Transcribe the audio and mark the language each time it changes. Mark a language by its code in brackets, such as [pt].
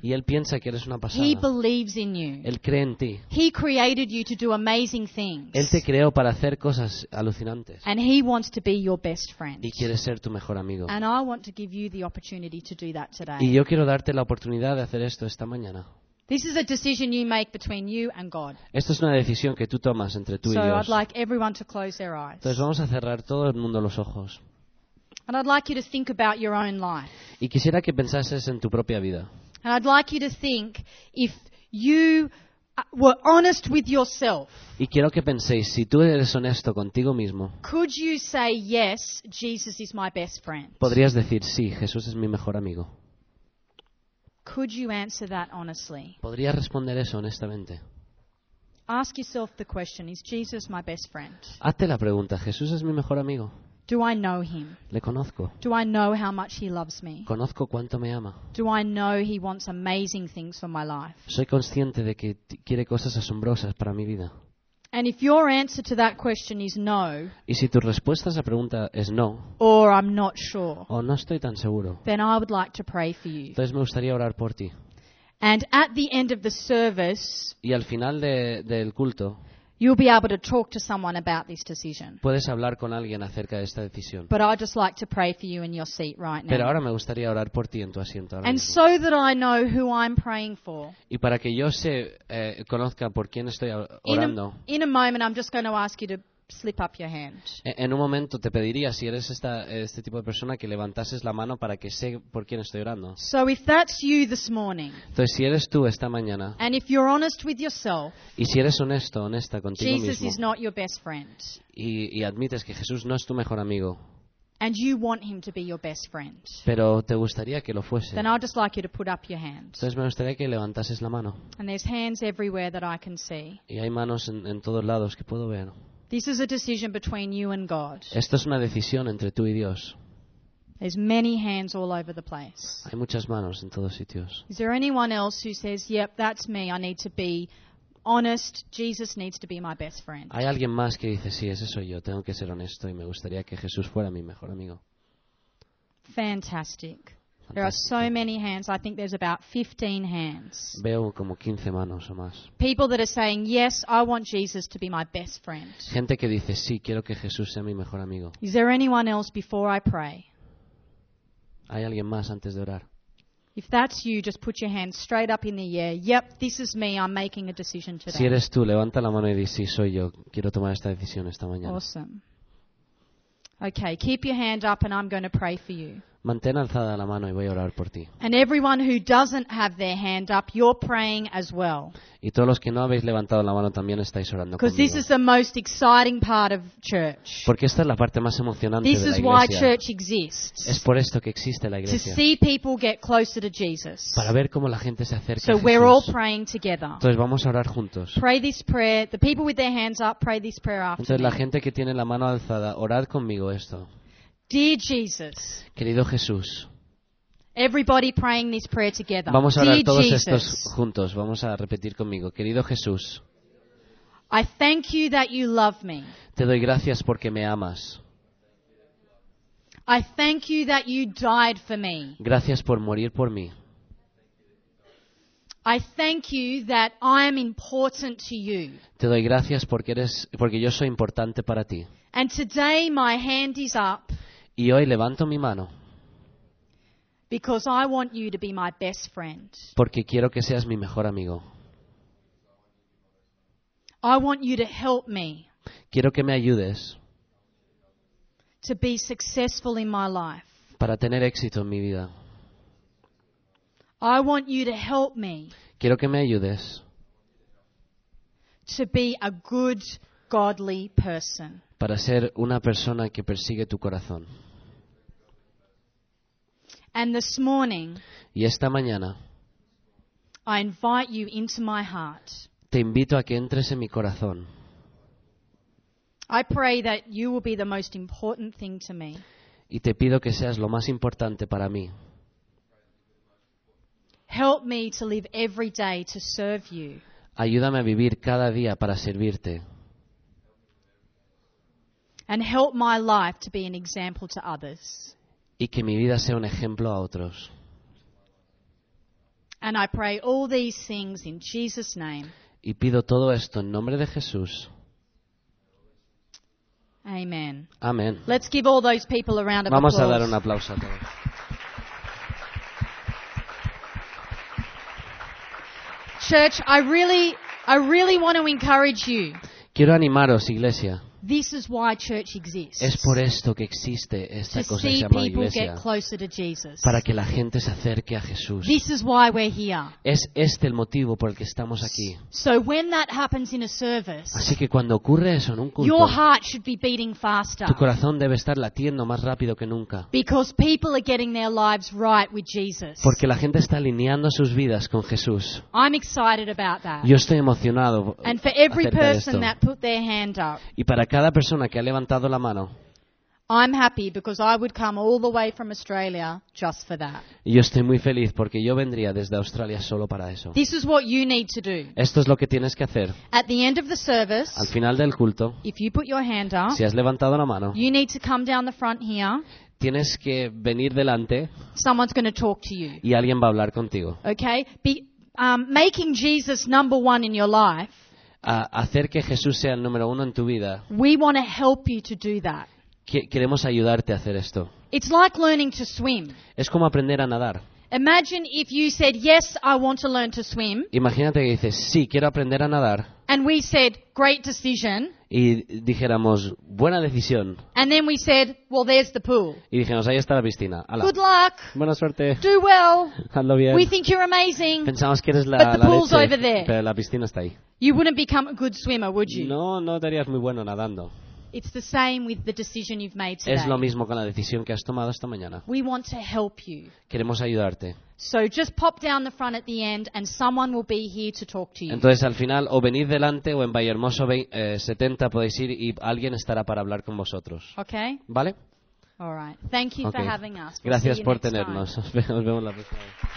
[es] Y él piensa que eres una pasada. [en] He believes in you. [es] Él cree en ti. [en] He created you to do amazing things. [es] Él te creó para hacer cosas alucinantes. [en] And he wants to be your best friend. [es] Y quiere ser tu mejor amigo. [en] And I want to give you the opportunity to do that today. [es] Y yo quiero darte la oportunidad de hacer esto esta mañana. [en] This is a decision you make between you and God. [es] Esto es una decisión que tú tomas entre tú y Dios. [en] So I'd like everyone to close their eyes. [es] Entonces vamos a cerrar todo el mundo los ojos. [en] And I'd like you to think about your own life. [es] Y quisiera que pensases en tu propia vida. [en] And I'd like you to think if you were honest with yourself. [es] Y quiero que penséis, si tú eres honesto contigo mismo. [en] Could you say yes, Jesus is my best friend? [es] ¿Podrías decir sí, Jesús es mi mejor amigo? [en] Could you answer that honestly? [es] ¿Podría responder eso honestamente? [en] Ask yourself the question, is Jesus my best friend? [es] Hazte la pregunta, ¿Jesús es mi mejor amigo? [en] Do I know him? [es] ¿Le conozco? [en] Do I know how much he loves me? [es] ¿Conozco cuánto me ama? [en] Do I know he wants amazing things for my life? [es] ¿Soy consciente de que quiere cosas asombrosas para mi vida? [en] And if your answer to that question is no, [es] y si tu respuesta a esa pregunta es no, [en] or I'm not sure, [es] o no estoy tan seguro, [en] then I would like to pray for you. [es] Entonces me gustaría orar por ti. [en] And at the end of the service, [es] y al final del culto, [en] you'll be able to talk to someone about this decision. [es] Puedes hablar con alguien acerca de esta decisión. [en] But I'd just like to pray for you in your seat right now. [es] Pero ahora me gustaría orar por ti en tu asiento ahora [en] and [es] mismo. [en] So that I know who I'm praying for. [es] Y para que yo conozca por quién estoy orando. [en] In a moment I'm just going to ask you to slip up your hand. [es] En un momento te pediría si eres esta, este tipo de persona que levantases la mano para que sé por quién estoy orando. [en] So if that's you this morning. [es] Entonces si eres tú esta mañana. [en] And if you're honest with yourself. [es] Y si eres honesto, honesta contigo [en] Jesus Jesus is not your best friend. [es] Y admites que Jesús no es tu mejor amigo. [en] And you want him to be your best friend. [es] Pero te gustaría que lo fuese. [en] Then I'd just like you to put up your hand. [es] Entonces me gustaría que levantases la mano. [en] And there's hands everywhere that I can see. [es] Y hay manos en todos lados que puedo ver. [en] This is a decision between you and God. [es] Esto es una decisión entre tú y Dios. [en] There's many hands all over the place. [es] Hay muchas manos en todos sitios. [en] Is there anyone else who says, "Yep, that's me. I need to be honest. Jesus needs to be my best friend." [es] Hay alguien más que dice, "Sí, ese soy yo. Tengo que ser honesto y me gustaría que Jesús fuera mi mejor amigo." [en] Fantastic. There are so many hands. I think there's about 15 hands. [es] Veo como 15 manos o más. [en] People that are saying, "Yes, I want Jesus to be my best friend." [es] Gente que dice, "Sí, quiero que Jesús sea mi mejor amigo." [en] Is there anyone else before I pray? [es] ¿Hay alguien más antes de orar? [en] If that's you, just put your hand straight up in the air. Yep, this is me. I'm making a decision today. [es] Si eres tú, levanta la mano y di, "Sí, soy yo. Quiero tomar esta decisión esta mañana." [en] Awesome. Okay, keep your hand up and I'm going to pray for you. [es] Mantén alzada la mano y voy a orar por ti. [en] And everyone who doesn't have their hand up, you're praying as well. [es] Y todos los que no habéis levantado la mano también estáis orando conmigo. [en] Because this is the most exciting part of church. [es] Porque esta es la parte más emocionante [en] this [es] de la iglesia. [en] This is why church exists. [es] Es por esto que existe la iglesia. [en] To see people get closer to Jesus. [es] Para ver cómo la gente se acerca [en] so [es] a Jesús. [en] We're all praying together. [es] Entonces vamos a orar juntos. [en] Pray this prayer. The people with their hands up, pray this prayer after. [es] Entonces [en] me. [es] La gente que tiene la mano alzada, orad conmigo esto. [en] Dear Jesus. [es] Querido Jesús. [en] Everybody praying this prayer together. [es] Vamos a orar [en] Dear [es] todos [en] Jesus, [es] estos juntos. Vamos a repetir conmigo. Querido Jesús. [en] I thank you that you love me. [es] Te doy gracias porque me amas. [en] I thank you that you died for me. [es] Gracias por morir por mí. [en] I thank you that I am important to you. [es] Te doy gracias porque yo soy importante para ti. [en] And today my hand is up. [es] Y hoy levanto mi mano. [en] Because I want you to be my best friend. [es] Porque quiero que seas mi mejor amigo. [en] I want you to help me. [es] Quiero que me ayudes. [en] To be successful in my life. [es] Para tener éxito en mi vida. [en] I want you to help me. [es] Quiero que me ayudes. [en] To be a good godly person. [es] Para ser una persona que persigue tu corazón. [en] And this morning, [es] y esta mañana, [en] I invite you into my heart. [es] Te invito a que entres en mi corazón. [en] I pray that you will be the most important thing to me. [es] Y te pido que seas lo más importante para mí. [en] Help me to live every day to serve you. [es] Ayúdame a vivir cada día para servirte. [en] And help my life to be an example to others. [es] Y que mi vida sea un ejemplo a otros. [en] And I pray all these things in Jesus' name. [es] Y pido todo esto en nombre de Jesús. [en] Amen. [es] Amen. [en] Let's give all those people a round of [es] Vamos [en] applause. [es] A dar un aplauso a todos. [en] Church, I really want to encourage you. [es] Quiero animaros, iglesia. [en] This is why church exists. [es] Es por esto que existe esta [en] to [es] cosa [en] see [es] que se llama [en] people [es] iglesia, [en] get closer to Jesus. [es] Para que la gente se acerque a Jesús. [en] This is why we're here. [es] Es este el motivo por el que estamos aquí. [en] So when that happens in a service, [es] así que cuando ocurre eso en un culto, [en] your heart should be beating faster. [es] Tu corazón debe estar latiendo más rápido que nunca. [en] Because people are getting their lives right with Jesus. [es] Porque la gente está alineando sus vidas con Jesús. [en] I'm excited about that. [es] Yo estoy emocionado. [en] And for every person that put their hand up, [es] y para cada persona que ha levantado la mano. [en] I'm happy because I would come all the way from Australia just for that. [es] Yo estoy muy feliz porque yo vendría desde Australia solo para eso. [en] This is what you need to do. [es] Esto es lo que tienes que hacer. [en] At the end of the service, [es] al final del culto, [en] if you put your hand up, [es] si has levantado la mano, [en] you need to come down the front here. [es] Tienes que venir delante. [en] Someone's going to talk to you. [es] Y alguien va a hablar contigo. [en] Okay? Making Jesus number one in your life. [es] A hacer que Jesús sea el número uno en tu vida. [en] We want to help you to do that. [es] Queremos ayudarte a hacer esto. [en] It's like learning to swim. [es] Es como aprender a nadar. [en] Imagine if you said, "Yes, I want to learn to swim." [es] Imagínate que dices, "Sí, quiero aprender a nadar." [en] And we said, "Great decision." [es] y dijéramos, buena decisión. [en] And then we said, well, there's the pool. [es] Y dijimos, ahí está la piscina. Hala. [en] Good luck. [es] Buena suerte. [en] Do well. [es] Hazlo bien. [en] We think you're amazing. [es] Pensamos que eres la, [en] but the [es] la [en] pool's [es] leche, [en] over there. [es] Pero la piscina está ahí. [en] You wouldn't become a good swimmer, would you? [es] No, no darías muy bueno nadando. [en] It's the same with the decision you've made today. [es] Es lo mismo con la decisión que has tomado esta mañana. [en] We want to help you. [es] Queremos ayudarte. [en] So just pop down the front at the end and someone will be here to talk to you. [es] Entonces al final o venid delante o en Vallehermoso 70 podéis ir y alguien estará para hablar con vosotros. [en] Okay? [es] ¿Vale? [en] All right. Thank you for having us. We'll [es] gracias por tenernos. Nos vemos la próxima vez.